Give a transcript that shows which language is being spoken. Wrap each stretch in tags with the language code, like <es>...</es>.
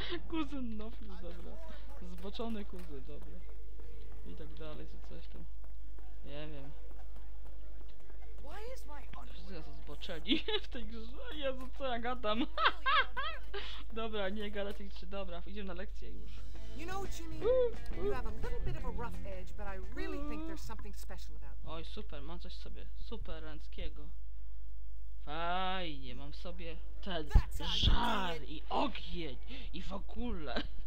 <pl>Kuzyn Nofil, dobra. Zboczony kuzyn, dobra. I tak dalej, co coś tam. Nie wiem. Wszyscy są zboczeni w tej grze. Jezu, co ja gadam. Dobra, nie gadać jeszcze. Dobra, idziemy na lekcję już.</pl> <en>You know, Jimmy, you have a little bit of a rough edge, but I really think there's something special about you.</en> <pl>Oj, super, mam coś sobie super ręckiego. Fajnie, mam sobie ten żar i ogień i w ogóle.</pl>